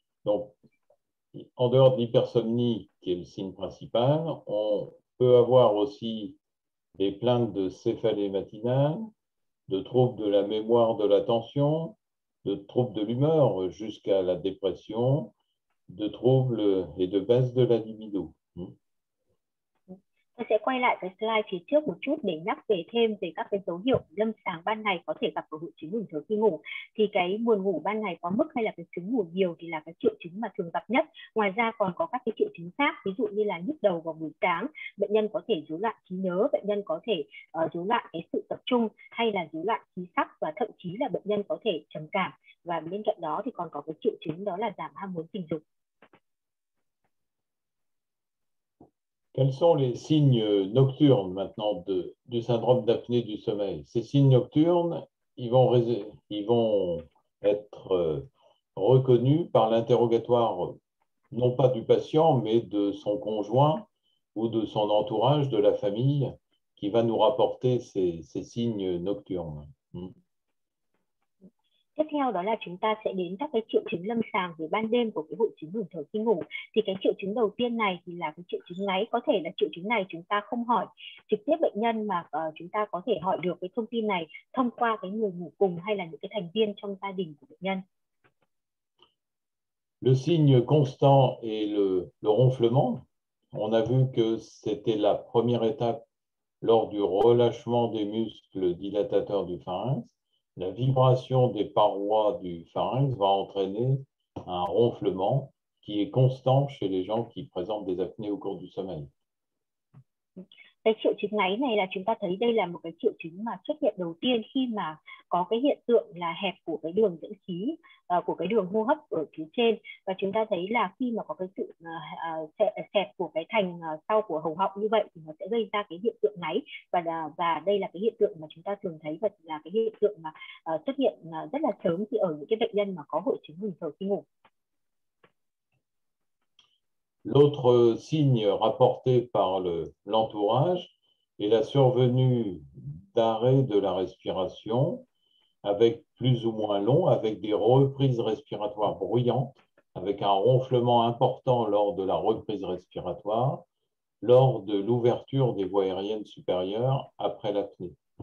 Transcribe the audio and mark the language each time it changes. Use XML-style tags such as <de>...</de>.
<fr>Donc, en dehors de l'hypersomnie, qui est le signe principal, on peut avoir aussi des plaintes de céphalée matinale, de troubles de la mémoire, de l'attention, de troubles de l'humeur jusqu'à la dépression, de troubles et de baisse de la libido.</fr> <vi>Tôi sẽ quay lại cái slide phía trước một chút để nhắc về thêm về các cái dấu hiệu lâm sàng ban ngày có thể gặp của hội chứng ngừng thở khi ngủ. Thì cái buồn ngủ ban ngày quá mức hay là cái chứng ngủ nhiều thì là cái triệu chứng mà thường gặp nhất. Ngoài ra còn có các cái triệu chứng khác, ví dụ như là nhức đầu vào buổi sáng, bệnh nhân có thể rối loạn trí nhớ, bệnh nhân có thể rối loạn cái sự tập trung, hay là rối loạn khí sắc, và thậm chí là bệnh nhân có thể trầm cảm. Và bên cạnh đó thì còn có cái triệu chứng đó là giảm ham muốn tình dục.</vi> <fr>Quels sont les signes nocturnes maintenant du syndrome d'apnée du sommeil? Ces signes nocturnes, ils vont être reconnus par l'interrogatoire, non pas du patient, mais de son conjoint ou de son entourage, de la famille, qui va nous rapporter ces signes nocturnes.</fr> <vi>Tiếp theo đó là chúng ta sẽ đến các cái triệu chứng lâm sàng về ban đêm của cái hội chứng ngừng thở khi ngủ. Thì cái triệu chứng đầu tiên này thì là cái triệu chứng ngáy. Có thể là triệu chứng này chúng ta không hỏi trực tiếp bệnh nhân, mà chúng ta có thể hỏi được cái thông tin này thông qua cái người ngủ cùng hay là những cái thành viên trong gia đình của bệnh nhân.</vi> <fr>Le signe constant est le ronflement. On a vu que c'était la première étape lors du relâchement des muscles dilatateurs du pharynx. La vibration des parois du pharynx va entraîner un ronflement qui est constant chez les gens qui présentent des apnées au cours du sommeil.</fr> <vi>Cái triệu chứng ngáy này là chúng ta thấy đây là một cái triệu chứng mà xuất hiện đầu tiên khi mà có cái hiện tượng là hẹp của cái đường dẫn khí, của cái đường hô hấp ở phía trên. Và chúng ta thấy là khi mà có cái sự xẹp của cái thành sau của hầu họng như vậy thì nó sẽ gây ra cái hiện tượng ngáy. Và đây là cái hiện tượng mà chúng ta thường thấy và là cái hiện tượng mà xuất hiện rất là sớm khi ở những cái bệnh nhân mà có hội chứng ngừng thở khi ngủ.</vi> <fr>L'autre signe rapporté par l'entourage est la survenue d'arrêt de la respiration avec plus ou moins long, avec des reprises respiratoires bruyantes, avec un ronflement important lors de la reprise respiratoire, lors de l'ouverture des voies aériennes supérieures après l'apnée.</fr>